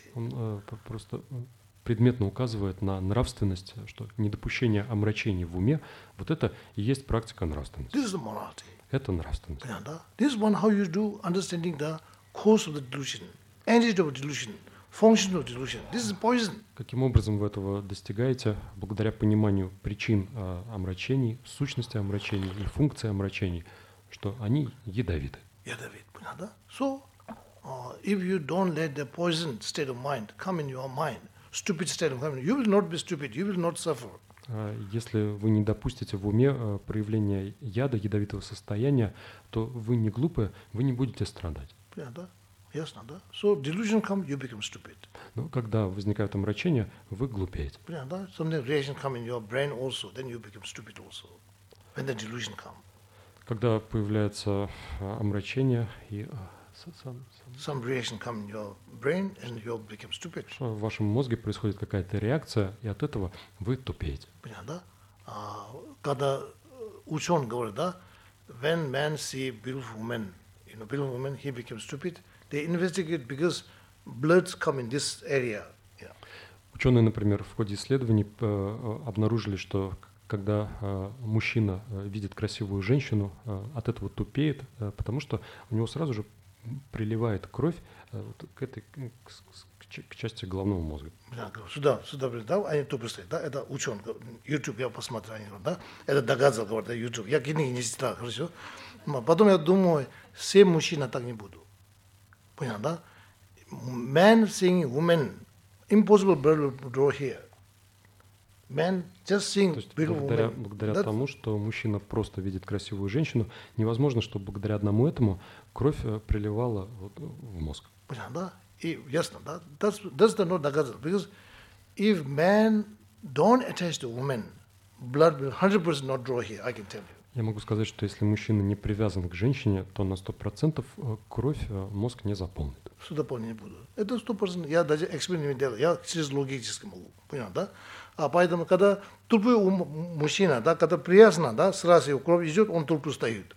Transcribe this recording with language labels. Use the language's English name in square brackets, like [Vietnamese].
[Russian] Он просто предметно указывает на нравственность, что недопущение омрачений в уме, вот это и есть практика нравственности. [English] This is the morality. [Russian] Это нравственность. [English] Yeah, да? This is one how you do understanding the cause of the delusion, antidote of delusion, function of delusion. This is poison. [Russian] Каким образом вы этого достигаете? Благодаря пониманию причин омрачений, сущности омрачений и функции омрачений, что они ядовиты. Ядовит, понятно, да? [English] So, if you don't let the poison state of mind come in your mind, stupid state of mind, you will not be stupid, you will not suffer. [Russian] Если вы не допустите в уме проявления яда, ядовитого состояния, то вы не глупы, вы не будете страдать. [English] Yeah, да. [Russian] Ясно, да? [English] So delusion come, you become stupid. [Russian] Но когда возникает омрачение, вы глупеете. [English] Yeah, да? Something reaction come in your brain also, then you become stupid also. When the delusion come. [Russian] Когда появляется омрачение и [English] some reaction come in your brain and you become stupid. [Russian] В вашем мозге происходит какая-то реакция, и от этого вы тупеете. Понятно, да? Когда ученый говорит, да, [English] when man see beautiful woman, you know, beautiful woman, he becomes stupid. They investigate because blood come in this area. Yeah. [Russian] Ученые, например, в ходе исследований обнаружили, что когда мужчина видит красивую женщину, от этого тупеет, потому что у него сразу же приливает кровь вот, к этой к части головного мозга. Сюда придал, они тупо стоят, да? Это ученый, YouTube, я посмотрел, да? Это догадался, говорит, да, YouTube. Я книги не читал, хорошо? Потом я думаю, все мужчины так не будут. Понял, да? [English] Man seeing woman, impossible bird will draw here. Man just seeing beautiful woman. [Russian] Благодаря тому, что мужчина просто видит красивую женщину, невозможно, чтобы благодаря одному этому кровь приливала вот в мозг. Понятно, да? И ясно, да? [English] That's the not doubt. Because if man don't attach to woman, blood will 100% not draw here, I can tell you. [Russian] Я могу сказать, что если мужчина не привязан к женщине, то на 100% кровь мозг не заполнит. Сюда понять не буду. Это 100%. Я даже эксперимент делаю. Я через логически могу. Понятно, да? А поэтому, когда тупой мужчина, да, когда привязан, да, сразу его кровь идет, он тупо стоит.